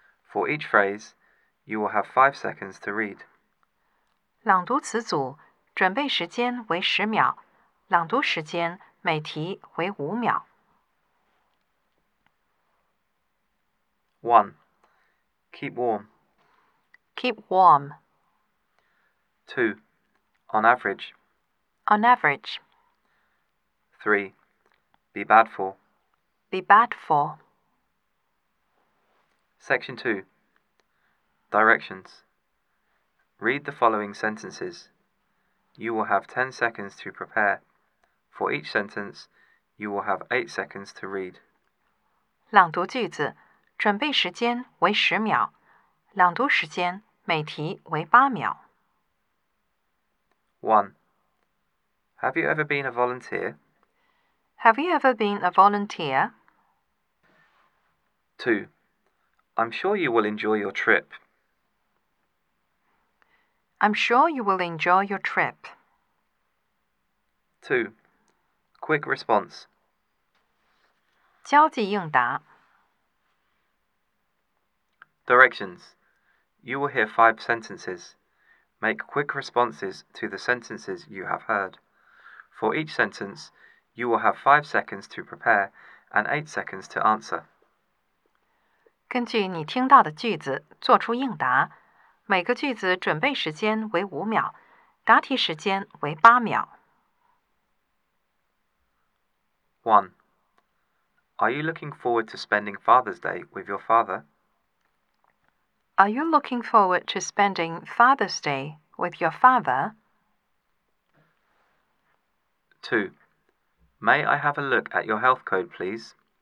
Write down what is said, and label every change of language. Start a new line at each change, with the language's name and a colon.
English: For each phrase, you will have 5 seconds to read.
Chinese: 朗读词组，准备时间为10秒，朗读时间每题为5秒。
English: 1. Keep warm. Keep warm. 2. On average. On average. 3. Be bad for. Be bad for. Section 2. Directions. Read the following sentences. You will have 10 seconds to prepare. For each sentence, you will have 8 seconds to read.
Chinese: 朗读句子，准备时间为10秒，朗读时间每题为8秒。
English: 1. Have you ever been a volunteer? Have you ever been a volunteer? 2. I'm sure you will enjoy your trip. I'm sure you will enjoy your trip. 2. Quick response.
Chinese: 交际应答。
English: Directions. You will hear 5 sentences. Make quick responses to the sentences you have heard. For each sentence, you will have 5 seconds to prepare and 8 seconds to answer.
Chinese: 根据你听到的句子做出应答，每个句子准备时间为5秒，答题时间为8秒。
English: 1. Are you looking forward to spending Father's Day with your father? Are you looking forward to spending Father's Day with your father? 2. May I have a look at your health code, please?